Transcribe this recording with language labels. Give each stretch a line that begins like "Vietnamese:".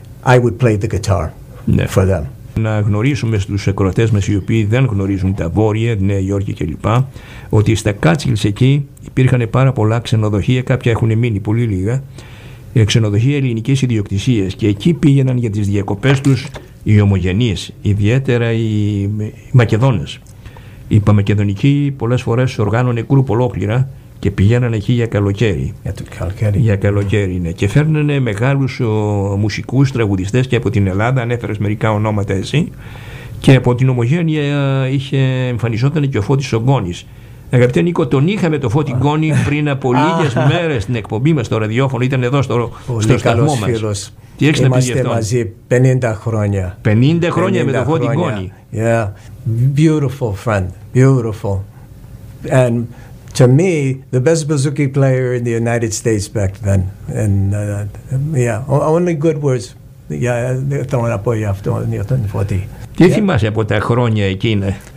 English: I would play the guitar, ναι, for them.
Greek: Να γνωρίσουμε στους ακροατές μας οι οποίοι δεν γνωρίζουν τα Βόρεια, Νέα Υόρκη κλπ. Ότι στα Catskills εκεί υπήρχαν πάρα πολλά ξενοδοχεία, κάποια έχουν μείνει πολύ λίγα, ξενοδοχεία ελληνικής ιδιοκτησίας, και εκεί πήγαιναν για τις διακοπές τους οι ομογενείς, ιδιαίτερα οι Μακεδόνες. Οι Παμακεδονικοί πολλές φορές οργάνωνε κρουπ ολόκληρα και πήγαιναν εκεί για καλοκαίρι. Για το καλοκαίρι. Για καλοκαίρι, ναι. Και φέρνανε μεγάλους μουσικούς, τραγουδιστές και από την Ελλάδα, ανέφερες μερικά ονόματα εσύ. Και από την ομογένεια εμφανιζόταν και ο Φώτης Ογκώνης. Αγαπητέ Νίκο, τον είχαμε το Φώτη Γκόνη πριν από λίγες μέρες στην εκπομπή μας στο ραδιόφωνο. Ήταν εδώ στο σταθμό μας. Πολύ καλός φίλος. Είμαστε μαζί 50 χρόνια. 50 χρόνια με το Φώτη Γκόνη.
English: Yeah. Beautiful friend. Beautiful. And to me, the best bouzouki player in the United States back then. And yeah, only good words.
Greek: Yeah, θέλω να πω για αυτό, για τον Φώτη. Τι yeah. θυμάσαι από τα χρόνια εκείνα,